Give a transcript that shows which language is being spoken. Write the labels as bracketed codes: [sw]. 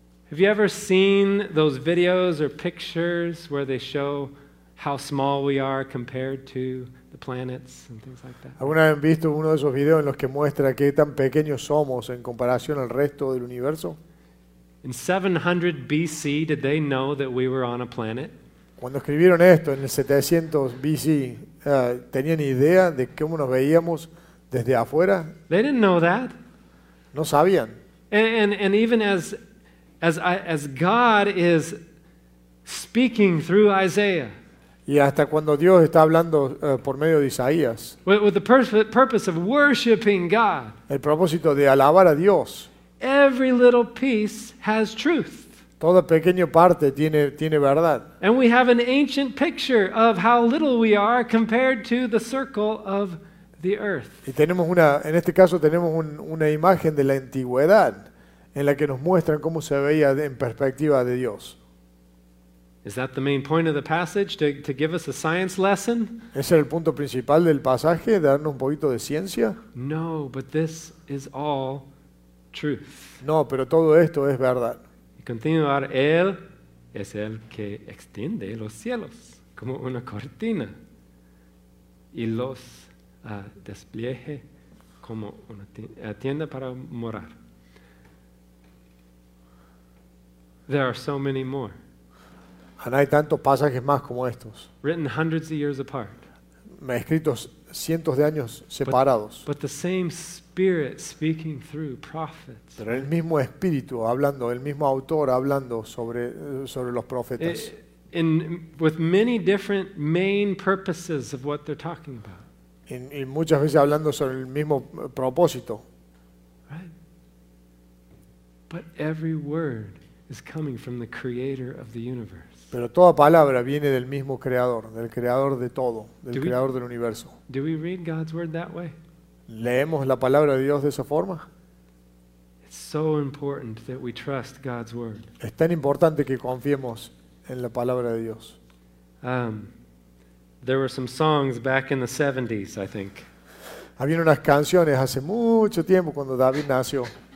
[en] Have you ever seen those videos or pictures where they show how small we are compared to the planets and things like that? [es] ¿Alguna vez han visto uno de esos videos en los que muestra qué tan pequeños somos en comparación al resto del universo? [en] In 700 BC, did they know that we were on a planet? [es] Cuando escribieron esto en el 700 BC, ¿tenían idea de cómo nos veíamos desde afuera? [en] They didn't know that. [es] No sabían. [en] And even as God is speaking through Isaiah. [es] Y hasta cuando Dios está hablando por medio de Isaías. [en] With the purpose of worshiping God. [es] El propósito de alabar a Dios. [en] Every little piece has truth. [es] Toda pequeña parte tiene verdad. [en] And we have an ancient picture of how little we are compared to the circle of the earth. [es] Y tenemos una, en este caso tenemos una imagen de la antigüedad en la que nos muestran cómo se veía en perspectiva de Dios. [en] Is that the main point of the passage, to give us a science lesson? [es] ¿Ese es el punto principal del pasaje, darnos un poquito de ciencia? [en] No, but this is all truth. [es] No, pero todo esto es verdad. Y continuar, Él es el que extiende los cielos como una cortina y los despliegue como una tienda para morar. [en] There are so many more. [es] Hay tantos pasajes más como estos. [en] Written hundreds of years apart. [es] Escritos cientos de años separados. [en] But the same Spirit speaking through prophets. [es] Pero el mismo Espíritu hablando, el mismo autor hablando sobre los profetas. [en] In with many different main purposes of what they're talking about. [es] Y muchas veces hablando sobre el mismo propósito. [en] Right. But every word is coming from the Creator of the universe. [es] Pero toda palabra viene del mismo Creador, del Creador de todo, del Creador del universo. [en] Do we read God's word that way? [es] ¿Leemos la palabra de Dios de esa forma? [en] It's so important that we trust God's word. [es] Es tan importante que confiemos en la palabra de Dios. [en] There were some songs back in the 70s, I think. [es] Había unas canciones hace mucho tiempo cuando David nació.